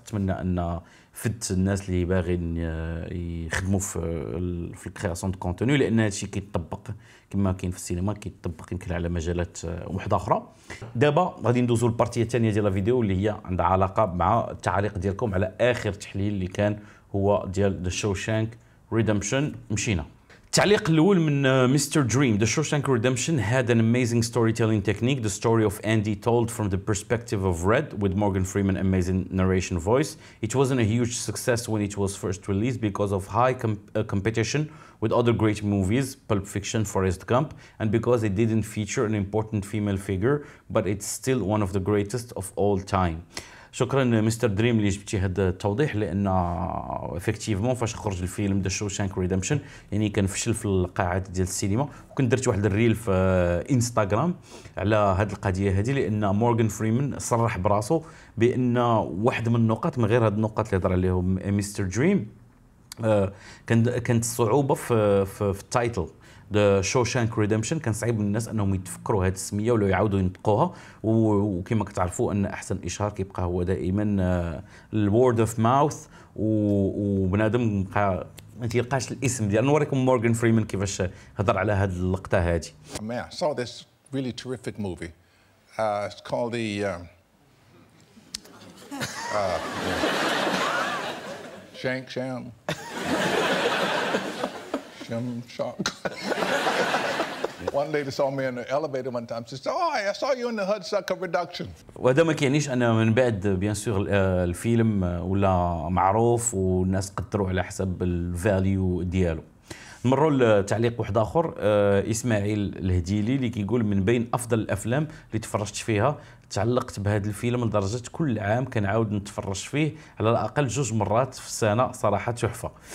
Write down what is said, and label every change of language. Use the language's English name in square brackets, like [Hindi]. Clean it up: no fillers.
[Arabic] نتمنى ان فدت الناس اللي باغين يخدموا في الكرياسيون دو كونتوني، لان هادشي كيتطبق كما كاين في السينما كيتطبق يمكن على مجالات واحده اخرى. دابا غادي ندوزوا للبارتيه الثانيه ديال الفيديو اللي هي عندها علاقه مع التعليق ديالكم على اخر تحليل اللي كان هو ديال ذا شوشانك ريدمشن. مشينا التعليق الاول من مستر دريم. [English] The Shawshank Redemption had an amazing storytelling technique. The story of Andy told from the perspective of Red with Morgan Freeman amazing narration voice. It wasn't a huge success when it was first released because of high competition with other great movies, Pulp Fiction, Forrest Gump, and because it didn't feature an important female figure, but it's still one of the greatest of all time. [Arabic] شكرا مستر دريم اللي جبتي هذا التوضيح، لان افكتيفمون فاش خرج الفيلم ذا شوشانك ريدمشن يعني كنفشل في القاعات ديال السينما، وكنت درت واحد الريل في انستغرام على هذه القضيه هذه، لان مورغان فريمان صرح براسو بان واحد من النقاط من غير هذه النقاط اللي هضر عليهم مستر دريم كانت صعوبه في التايتل The Shawshank Redemption. كان صعيب للناس انهم يتفكروا هاد السميه ولو يعاودوا ينطقوها، وكما كتعرفوا ان احسن اشهار كيبقى هو دائما [English] word of mouth، [Arabic] وبنادم بقى ما تلقاش الاسم ديال. نوريكم مورغان فريمان كيفاش هضر على هاد اللقطه هادي. [English] I saw this really terrific movie it's called the Shank Sham I'm shocked. One lady saw me in the elevator one time. She said, "Oh, I saw you in the Hudsucker Reduction." [Arabic] وهذا ما كيعنيش أنا من بعد بيان سور الفيلم ولا معروف والناس قدروا على حسب الفاليو ديالو. نمروا لتعليق واحد اخر اسماعيل الهديلي اللي كيقول من بين افضل الافلام اللي تفرجت فيها تعلقت بهذا الفيلم لدرجة كل عام كنعاود نتفرج فيه على الاقل جوج مرات في السنة صراحة تحفة.